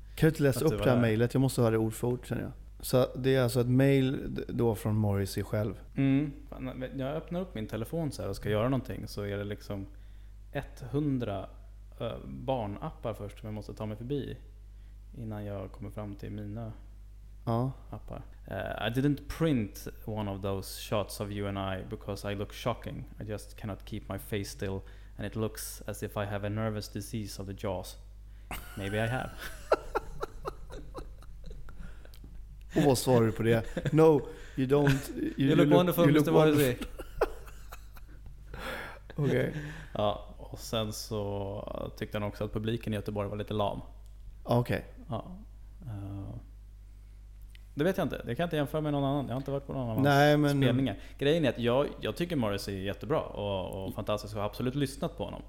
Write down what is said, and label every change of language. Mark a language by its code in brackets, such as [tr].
[sv] kan du inte läsa upp det här mejlet? Jag måste höra det ord för ord, känner jag. Så det är alltså ett mejl då från Morrissey själv. Mm. Jag öppnar upp min telefon så här och ska göra någonting, så är det liksom 100 barnappar först som jag måste ta mig förbi innan jag kommer fram till mina appar. [en] I didn't print one of those shots of you and I because I look shocking. I just cannot keep my face still. And it looks as if I have a nervous disease of the jaws. Maybe I have. [sv] Och vad svarar du på det? [en] No, you don't. You look wonderful, you look Mr. Morrissey. [sv] Okej. Ja, och sen så tyckte han också att publiken i Göteborg var lite lam. Okej. Okay. Ja. Det vet jag inte. Det kan jag inte jämföra med någon annan. Jag har inte varit på någon annan spelningar. Grejen är att jag tycker Morrissey är jättebra och fantastisk och har absolut lyssnat på honom.